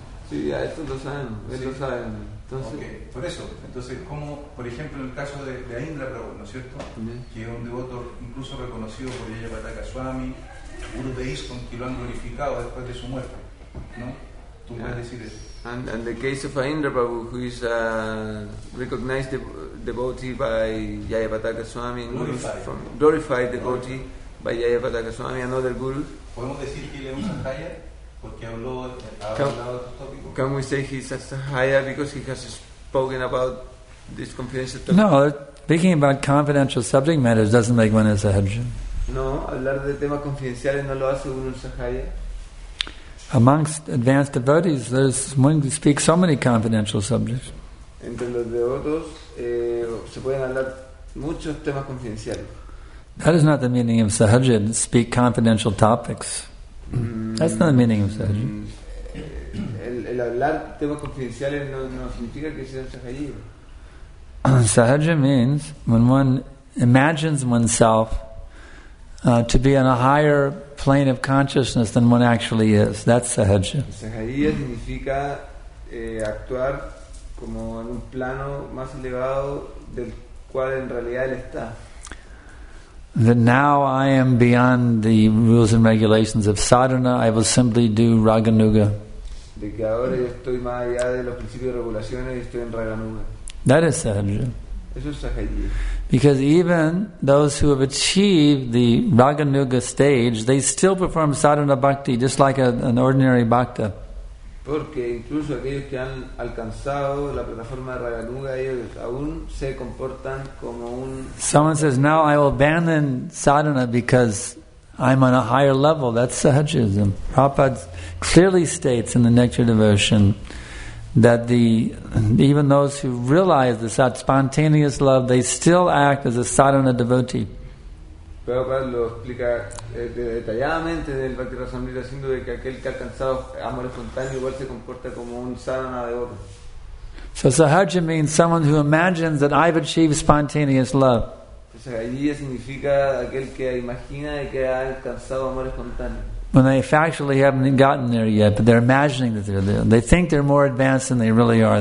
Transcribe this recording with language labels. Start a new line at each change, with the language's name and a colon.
Spanish: Sí, ya, esto lo sabemos, sí. Entonces, okay. Por eso, entonces, como, por ejemplo, en el caso de Indra Prabhu, ¿no es cierto? Bien. Que es un devoto incluso reconocido por Yayapataka Swami, Guru de ISKCON, que lo han glorificado después de su muerte, ¿no? Tú puedes decir eso.
English: And the case of Indra Prabhu, who is a recognized devotee by Yayapataka Swami, glorified devotee. Okay. By Yayapataka Swami and other gurus.
Spanish: ¿Podemos decir que él es un sahaya? Porque habló
English: can we say he's a sahaya because he has spoken about this confidential topic? No, speaking about confidential subject matters doesn't make one a sahaja.
Spanish: No, hablar de temas confidenciales no lo hace uno un sahaya.
English: Amongst advanced devotees, there's one who speaks so many confidential subjects.
Spanish: Entre los devotos se pueden hablar muchos temas confidenciales.
English: That is not the meaning of sahaja, to speak confidential topics. That's not the meaning of sahaja.
Spanish: El hablar temas confidenciales no significa que sea sahajivo.
English: Sahaja means when one imagines oneself to be on a higher plane of consciousness than one actually is. That's sahaja.
Spanish: Sahaja significa actuar como en un plano más elevado del cuál en realidad él está.
English: That now I am beyond the rules and regulations of sadhana, I will simply do raganuga.
Spanish: De que ahora yo estoy más allá de los principios de regulaciones y estoy en raganuga.
English: That is sahaja.
Spanish: Eso es sahaja.
English: Because even those who have achieved the raganuga stage, they still perform sadhana bhakti just like an ordinary bhakta.
Spanish: Porque incluso aquellos que han alcanzado la plataforma de Raganuga, ellos aún se comportan como un...
English: Someone says, now I will abandon sadhana because I'm on a higher level. That's sahajism. Prabhupada clearly states in the Nectar Devotion that the even those who realize the spontaneous love, they still act as a sadhana devotee.
Spanish: Prabhupada lo explica detalladamente en el Bhakti Rasamrita, diciendo que aquel que ha alcanzado amor espontáneo igual se comporta como un sadhana de oro.
English: So sahaja means someone who imagines that I've achieved spontaneous love.
Spanish: Sahaja significa aquel que imagina que ha alcanzado amor espontáneo.
English: When they factually haven't gotten there yet, but they're imagining that they're there. They think they're more advanced than they really are.